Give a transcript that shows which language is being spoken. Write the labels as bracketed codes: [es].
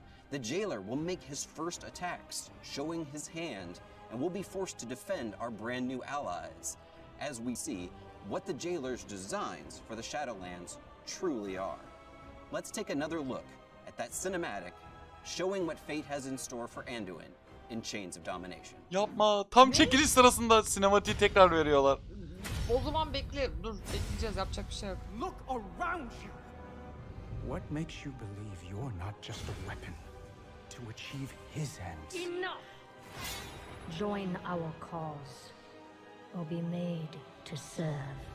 [en] The jailer will make his first attacks, showing his hand, and will be forced to defend our brand new allies as we see what the jailer's designs for the Shadowlands truly are. Let's take another look at that cinematic showing what fate has in store for Anduin in Chains of Domination. [tr] Yapma, tam çekiliş sırasında sinematiği tekrar veriyorlar. O zaman bekle, dur, bekleyeceğiz, yapacak bir şey yok. [en] Look around you. What makes you believe you're not just a weapon to achieve his ends? Enough. Join our cause or be made to serve.